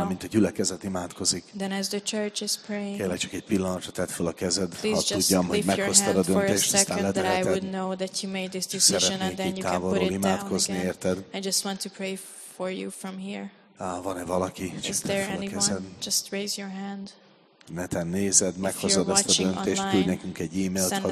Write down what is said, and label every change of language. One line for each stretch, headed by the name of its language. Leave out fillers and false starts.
Hungarian: amint a gyülekezet imádkozik,
English: then as the church is praying,
Hungarian: kérlek csak egy pillanatra tedd fel a kezed, ha tudjam, hogy meghoztad a döntést, ezt eledeheted.
English: I would know that you made this decision and then you can put it down again.
Hungarian: Érted.
English: I just want to pray for you from here.
Hungarian: Van-e valaki? Csak
English: is there anyone? Just raise your hand.
Hungarian: Neten nézed, meghozod ezt a döntést, küld nekünk egy e-mailt, ha